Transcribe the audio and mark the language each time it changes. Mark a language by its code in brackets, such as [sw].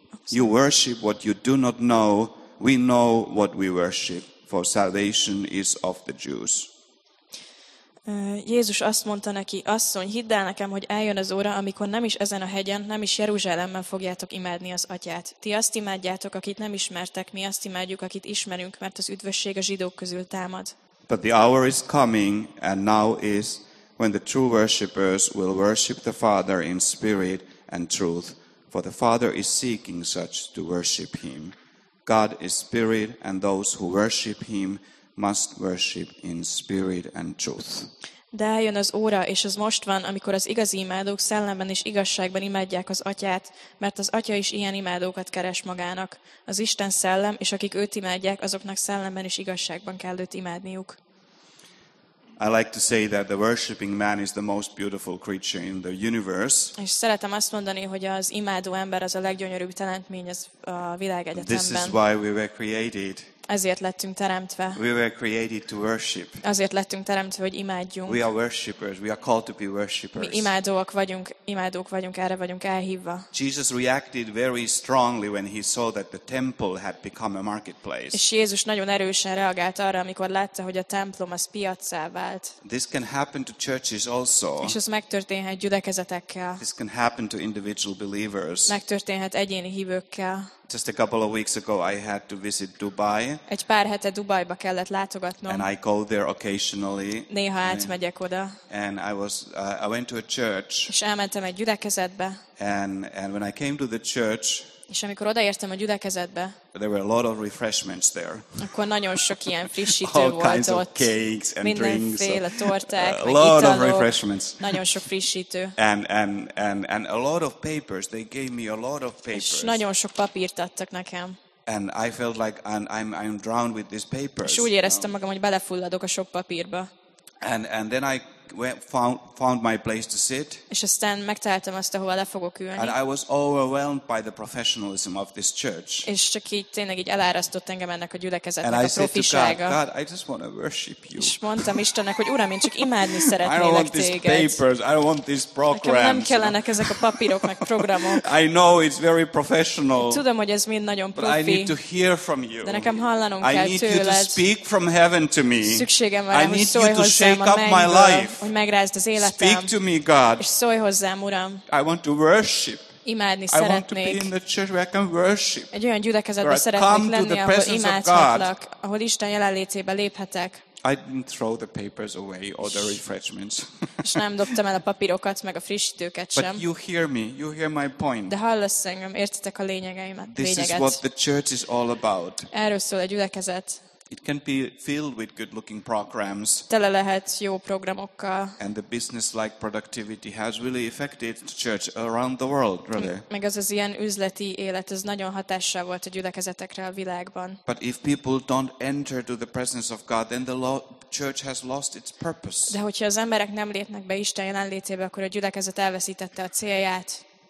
[en] You worship what you do not know. We know what we worship, for salvation is of the Jews. [hu] Jézus azt mondta neki, asszony, hidd el nekem, hogy eljön az óra, amikor nem is ezen a hegyen, nem is Jeruzsálemben fogjátok imádni az atyát. Ti azt imádjátok, akit nem ismertek, mi azt imádjuk, akit ismerünk, mert az üdvösség a zsidók közül támad. [en] But the hour is coming, and now is, when the true worshippers will worship the Father in spirit and truth. For the Father is seeking such to worship him. God is spirit, and those who worship him must worship in spirit and truth. [hu] De eljön az óra, és az most van, amikor az igazi imádók szellemben és igazságban imádják az atyát, mert az atya is ilyen imádókat keres magának. Az Isten szellem, és akik őt imádják, azoknak szellemben és igazságban kell őt imádniuk. [en] I like to say that the worshiping man is the most beautiful creature in the universe. [hu] És szeretem azt mondani, hogy az imádó ember az a leggyönyörűbb teremtmény az a világegyetemben. [en] This is why we were created. [hu] Ezért lettünk teremtve. [en] We were created to worship. [hu] Azért lettünk teremtve, hogy imádjunk. [en] We are worshippers. We are called to be worshippers. [hu] Mi imádók vagyunk, erre vagyunk elhívva. [en] Jesus reacted very strongly when he saw that the temple had become a marketplace. [hu] És Jézus nagyon erősen reagált arra, amikor látta, hogy a templom az piaccá vált. [en] This can happen to churches also. [hu] És ez megtörténhet gyülekezetekkel. [en] This can happen to individual believers. [hu] Megtörténhet egyéni hívőkkel. [en] Just a couple of weeks ago I had to visit Dubai. [hu] Egy pár hete Dubajba kellett látogatnom. [en] And I go there occasionally. [hu] Néha átmegyek oda. [en] And I went to a church. [hu] És elmentem egy gyülekezetbe. [en] And when I came to the church, [hu] és amikor odaértem a gyülekezetbe, [en] there were a lot of refreshments there. [hu] Akkor nagyon sok ilyen frissítő volt [en] kinds [hu] ott. [en] Of cakes and [hu] mindenféle [en] drinks, [hu] torták, [en] a lot [hu] italok, [en] of refreshments. [hu] Nagyon sok frissítő. [en] And a lot of papers. They gave me a lot of papers. [hu] És nagyon sok papírt adtak nekem. [en] And I felt like I'm drowned with these papers. [hu] És úgy éreztem magam, hogy belefulladok a sok papírba. [en] And then I found my place to sit. [hu] És aztán megtaláltam azt, ahova le fogok ülni. [en] And I was overwhelmed by the professionalism of this church. [hu] És csak így tényleg így elárasztott engem ennek a gyülekezetnek [en] and [hu] a profisága. [en] And I said to God, I just want to worship you. [hu] És mondtam Istennek, hogy Uram, én csak imádni szeretnélek téged. [en] I don't want these papers, I don't want these programs. [hu] Nekem nem kellenek ezek a papírok meg programok. [en] I know it's very professional. [hu] Tudom, hogy ez mind nagyon profi. [en] But I need to hear from you. [hu] De nekem hallanom kell tőled. [en] I need you to speak from heaven to me. [hu] Szükségem van, hogy szólj hozzám a mennyből. Hogy megrázd az életem. [en] Speak to me, God. [hu] És szólj hozzám, Uram. [en] I want to worship. [hu] Imádni szeretnék. [en] I want to be in the church where I can worship. [hu] Egy olyan gyülekezetben szeretnék lenni, ahol imádhatlak, ahol Isten jelenlétébe léphetek. [en] I didn't throw the papers away or the refreshments. [hu] És nem dobtam el a papírokat, meg a frissítőket sem. [en] But you hear me, you hear my point. [hu] De hallasz engem, értitek a lényegeimet. [en] This is what the church is all about. [hu] Erről szól a gyülekezet. [en] It can be filled with good-looking programs. [hu] Tele lehet jó programokkal. [en] And the business-like productivity has really affected the church around the world, really. [hu] Meg az ilyen üzleti élet, ez nagyon hatással volt a gyülekezetekre a világban. [en] But if people don't enter to the presence of God, then the church has lost its purpose. [hu] De hogyha az emberek nem lépnek be Isten jelenlétébe, akkor a gyülekezet elveszítette a célját.